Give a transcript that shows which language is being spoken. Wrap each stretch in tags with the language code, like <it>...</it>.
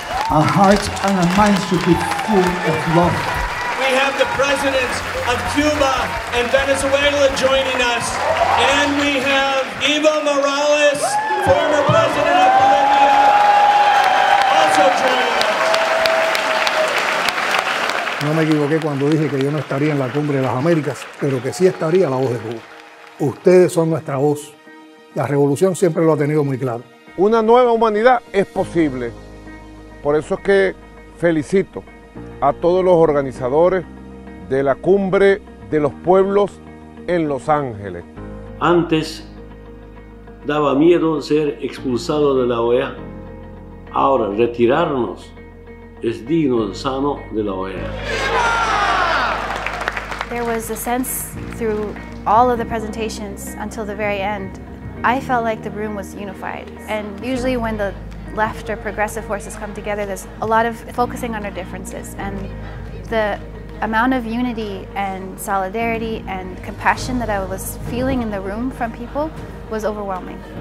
<en>Our hearts and our minds should be full of love. We have the presidents of Cuba and Venezuela joining us, and we have Evo Morales, former president of Bolivia, also joining us.</en> <es>No me equivoqué cuando dije que yo no estaría en la cumbre de las Américas, pero que sí estaría la voz de Cuba. Ustedes son nuestra voz. La revolución siempre lo ha tenido muy claro. Una nueva humanidad es posible. Por eso es que felicito a todos los organizadores de la Cumbre de los Pueblos en Los Ángeles. Antes daba miedo ser expulsado de la OEA. Ahora retirarnos es digno y sano de la OEA.</es> <en>There was a sense through all of the presentations until the very end. I felt like the room was unified. And usually when the left or progressive forces come together, there's a lot of focusing on our differences, and the amount of unity and solidarity and compassion that I was feeling in the room from people was overwhelming.</en>